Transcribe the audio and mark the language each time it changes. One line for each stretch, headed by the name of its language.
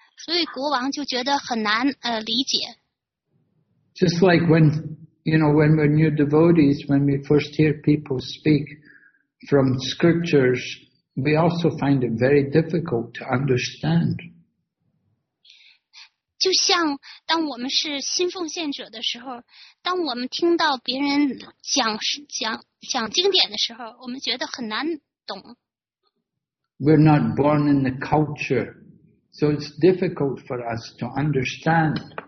Chinese: 所以国王就觉得很难理解。
English: Just like when, you know, when we're new devotees, when we first hear people speak from scriptures, we also find it very difficult to understand.
Chinese: 就像当我们是新奉献者的时候，当我们听到别人讲经典的时候，我们觉得很难懂。
English: We're not born in the culture. So it's difficult for us to understand.